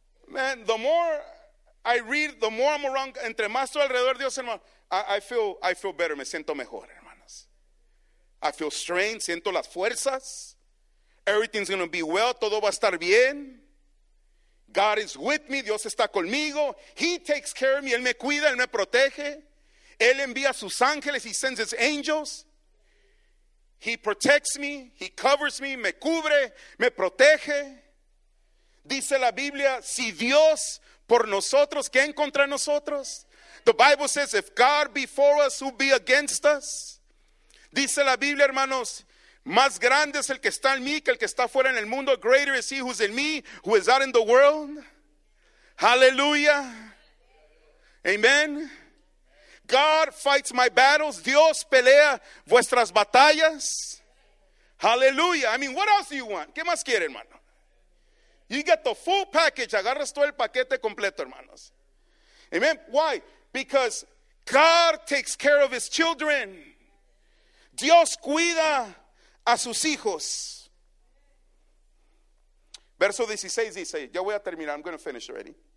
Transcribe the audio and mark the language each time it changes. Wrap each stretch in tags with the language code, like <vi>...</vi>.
<en>Man, the more I read, the more I'm around.</en> <es>Entre más estoy alrededor de Dios, hermano,</es> <en>I feel better.</en> <es>Me siento mejor, hermanos.</es> <en>I feel strength.</en> <es>Siento las fuerzas.</es> <en>Everything's going to be well.</en> <es>Todo va a estar bien.</es> <en>God is with me.</en> <es>Dios está conmigo.</es> <en>He takes care of me.</en> <es>Él me cuida. Él me protege. Él envía a sus ángeles.</es> <en>He sends his angels. He protects me. He covers me.</en> <es>Me cubre. Me protege. Dice la Biblia, si Dios por nosotros, ¿quién contra nosotros?</es> <en>The Bible says, if God be for us, who be against us?</en> <es>Dice la Biblia, hermanos, más grande es el que está en mí que el que está fuera en el mundo.</es> <en>Greater is he who's in me, who is out in the world. Hallelujah. Amen. God fights my battles.</en> <es>Dios pelea vuestras batallas.</es> <en>Hallelujah. I mean, what else do you want?</en> <es>¿Qué más quiere, hermano?</es> <en>You get the full package.</en> <es>Agarras todo el paquete completo, hermanos.</es> <en>Amen. Why? Because God takes care of his children.</en> <es>Dios cuida a sus hijos. Verso 16 dice, ya voy a terminar.</es> <en>I'm going to finish already.</en>